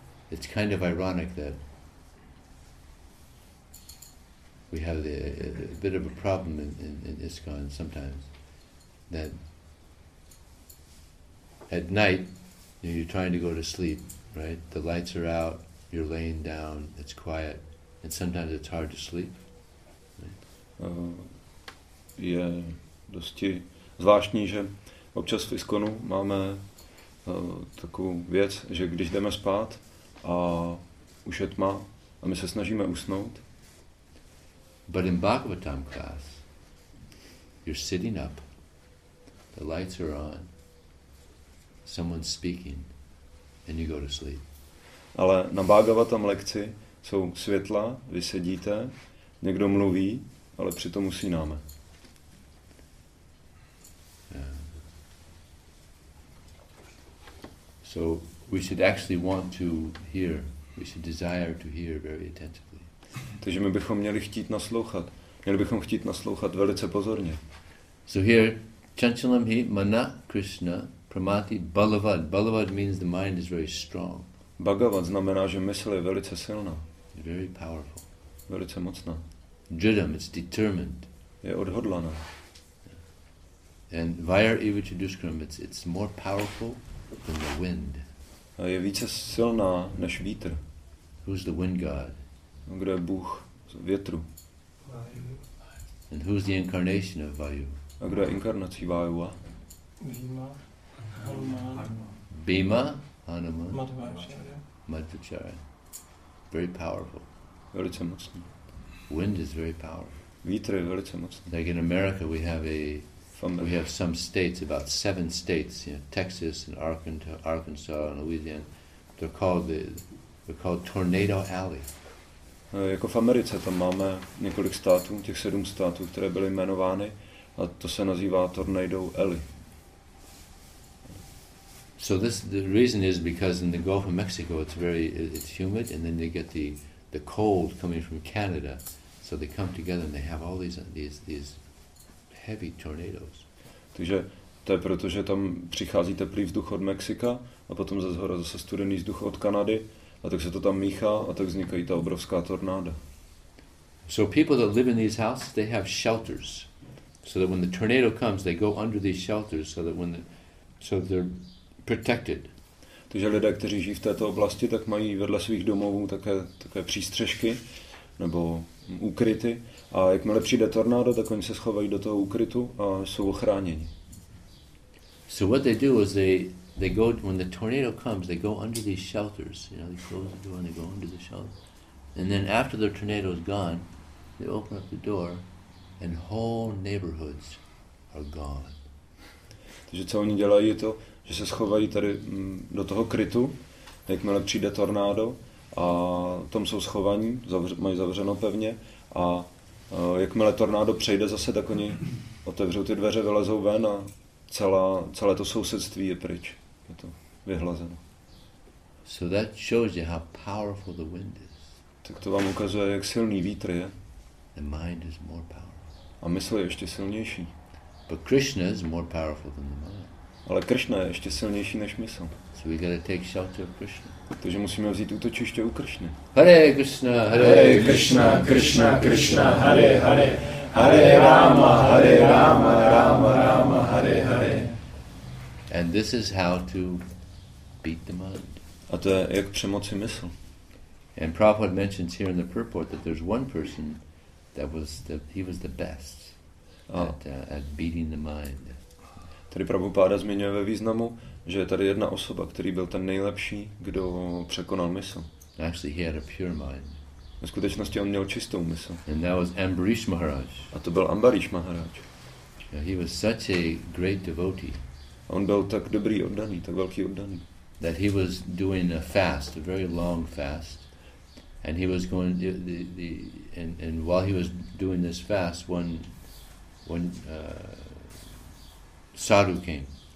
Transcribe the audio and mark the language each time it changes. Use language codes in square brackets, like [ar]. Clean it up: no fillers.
[en] It's kind of ironic that we have a bit of a problem in ISKCON sometimes that at night you're trying to go to sleep, right? The lights are out, you're laying down, it's quiet, and sometimes it's hard to sleep. [cs] Je dosti zvláštní, že občas v ISKCONu máme takovou věc, že když jdeme spát a už je tma a my se snažíme usnout. [en] But in Bhagavatam class, you're sitting up, the lights are on, someone's speaking, and you go to sleep. [cs] Ale na Bhagavatam lekci jsou světla, vy sedíte, někdo mluví, ale přitom usínáme. [en] So we should actually want to hear, we should desire to hear very attentively. [cs] Takže my bychom měli chtít naslouchat. Měli bychom chtít naslouchat velice pozorně. [en] So here, [sa] chanchalam hi mana krishna pramati balavad. [en] Balavad means the mind is very strong. [cs] Bhagavad znamená, že mysl je velice silná. [en] Very powerful. [cs] Velice mocná. [en] Jidam, it's determined. [cs] Je odhodlaná. [en] And [sa] vayar eva chaduskram, [en] it's more powerful than the wind. [cs] A je více silná než vítr. [en] Who's the wind god? [cs] Kdo je Bůh větru? [en] And who's the incarnation of Vayu? [cs] A kdo je inkarnací Vayuva? [en] Bhima, Hanuman. Bhima, Hanuman. Madhvacharya. Very powerful. [cs] Velice mocný. [en] Wind is very powerful. [cs] Vítr je velice mocný. [en] Like in America we have a We have some states, about seven states, you know, Texas and Arkansas and Louisiana. They're called Tornado Alley. [cs] Jako v Americe tam máme několik států, těch sedm států, které byly jmenovány, a to se nazývá Tornado Alley. [en] So this the reason is because in the Gulf of Mexico it's humid, and then they get the cold coming from Canada, so they come together and they have all these heavy tornadoes. [cs] Takže to je proto, že tam přichází teplý vzduch od Mexika a potom ze zhora zase studený vzduch od Kanady, a tak se to tam míchá a tak vznikají ta obrovská tornáda. [en] So people that live in these houses, they have shelters, so that when the tornado comes, they go under these shelters, so that they're protected. [cs] Takže lidé, kteří žijí v této oblasti, tak mají vedle svých domovů také přístřešky nebo úkryty, a jakmile přijde tornádo, tak oni se schovají do toho úkrytu a jsou ochráněni. [en] So what they do is they go, when the tornado comes, they go under these shelters, you know, they close the door and they go under the shelter. And then after the tornado is gone, they open up the door and whole neighborhoods are gone. [cs] Takže co oni dělají, je to, že se schovají tady do toho krytu, jakmile přijde tornádo, a tam jsou schovaní, mají zavřeno pevně, a jakmile tornádo přejde zase, tak oni otevřou ty dveře, vylezou ven a celé to sousedství je pryč. Je to vyhlazeno. [en] So that shows you how powerful the wind is. [cs] Tak to vám ukazuje, jak silný vítr je. [en] The mind is more powerful. [cs] A mysl je ještě silnější. [en] But Krishna is more powerful than the mind. [cs] Ale Krishna je ještě silnější než mysl. [en] So we gotta take shelter of Krishna. [cs] Takže musíme vzít útočiště u Krishny. [sa] Hare Krishna, Krishna, Krishna, Hare Hare. Hare Rama, Hare Rama, Rama Rama, Hare Hare. [en] And this is how to beat the mind. [cs] A to je, jak přemoci mysl. [en] And Prabhupada mentions here in the purport that there's one person that was he was the best at beating the mind. [cs] Tady Prabhupada zmiňuje ve významu, že je tady jedna osoba, který byl ten nejlepší, kdo překonal mysl. [en] Actually, he had a pure mind. [cs] Ve skutečnosti on měl čistou mysl. [en] And that was Ambarish Maharaj. [cs] A to byl Ambarish Maharaj. [en] Yeah, he was such a great devotee. [cs] A on byl tak dobrý oddaný, tak velký oddaný. [en] That he was doing a fast, a very long fast, and he was going and while he was doing this fast, one sadhu came.